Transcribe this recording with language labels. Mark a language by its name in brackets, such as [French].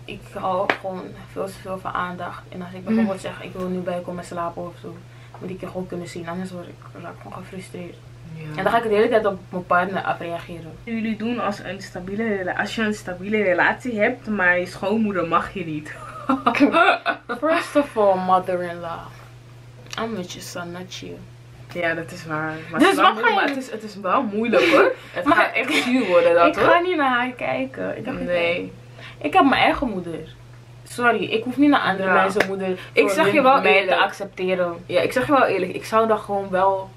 [Dutch] Ik hou gewoon veel te veel van aandacht. En als ik bijvoorbeeld zeg, ik wil nu bij je komen slapen of zo, moet ik je gewoon kunnen zien. Anders word ik gewoon gefrustreerd. Ja. En dan ga ik de hele tijd op mijn partner afreageren. Wat jullie doen als, als je een stabiele relatie hebt, maar je schoonmoeder mag je niet? [English] First of all, mother-in-law. I'm with your son, not you. [Dutch] Ja, dat is waar. Maar, dus wat ga je... het is wel moeilijk hoor. Het maar, gaat echt zuur worden dat ik hoor. Ik ga niet naar haar kijken. Ik dacht, nee. Ik heb mijn eigen moeder. Sorry, ik hoef niet naar andere mensen moeder. Ik zeg je wel mij te accepteren. Ja, ik zeg je wel eerlijk. Ik zou dat gewoon wel...